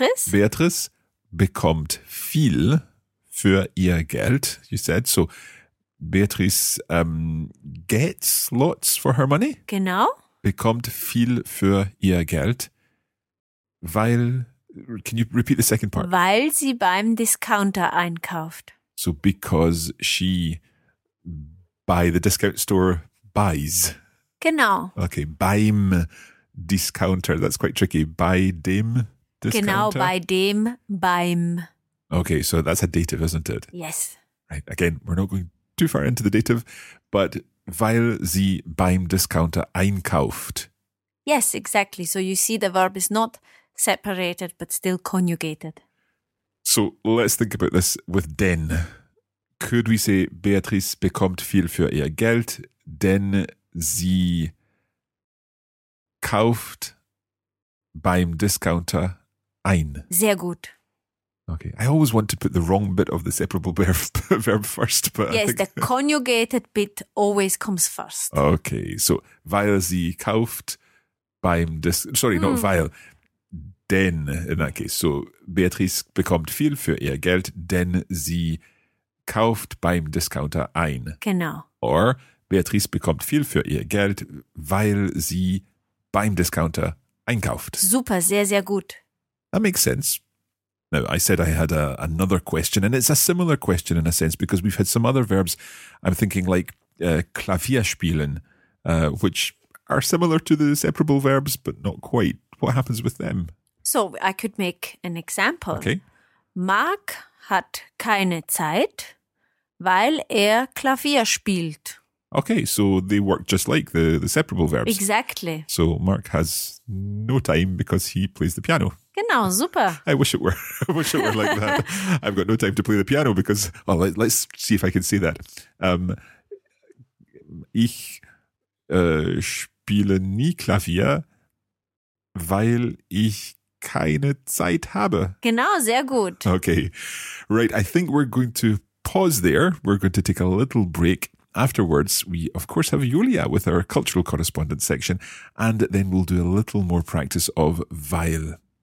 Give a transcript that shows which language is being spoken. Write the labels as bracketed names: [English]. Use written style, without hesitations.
[German] Beatrice bekommt viel für ihr Geld, [English] you said. So Beatrice gets lots for her money. [German] Genau. Bekommt viel für ihr Geld, weil, [English] can you repeat the second part? [German] Weil sie beim Discounter einkauft. [English] So because she by the discount store buys. [German] Genau. [English] Okay, beim Discounter. That's quite tricky. [German] Bei dem Discounter. Genau, bei dem, beim. [English] Okay, so that's a dative, isn't it? Yes. Right. Again, we're not going too far into the dative, but weil sie beim Discounter einkauft. Yes, exactly. So you see the verb is not separated, but still conjugated. So let's think about this with denn. Could we say [German] Beatrice bekommt viel für ihr Geld, denn sie kauft beim Discounter ein? Sehr gut. [English] Okay. I always want to put the wrong bit of the separable verb first. But yes, the conjugated bit always comes first. Okay. [German] So weil sie kauft beim not weil. Denn, [English] in that case, so [German] Beatrice bekommt viel für ihr Geld, denn sie kauft beim Discounter ein. Genau. Or Beatrice bekommt viel für ihr Geld, weil sie beim Discounter einkauft. Super, sehr, sehr gut. [English] That makes sense. Now, I said I had another question, and it's a similar question in a sense, because we've had some other verbs. I'm thinking like Klavier spielen, which are similar to the separable verbs, but not quite. What happens with them? So I could make an example. Okay. [German] Mark hat keine Zeit, weil er Klavier spielt. [English] Okay, so they work just like the separable verbs. Exactly. So Mark has no time because he plays the piano. [German] Genau, super. [English] I wish it were. I wish it were like that. I've got no time to play the piano because, well, let's see if I can say that. [German] Ich spiele nie Klavier, weil ich keine Zeit habe. Genau, sehr gut. [English] Okay, right. I think we're going to pause there. We're going to take a little break. Afterwards, we, of course, have Julia with our cultural correspondence section, and then we'll do a little more practice of weil.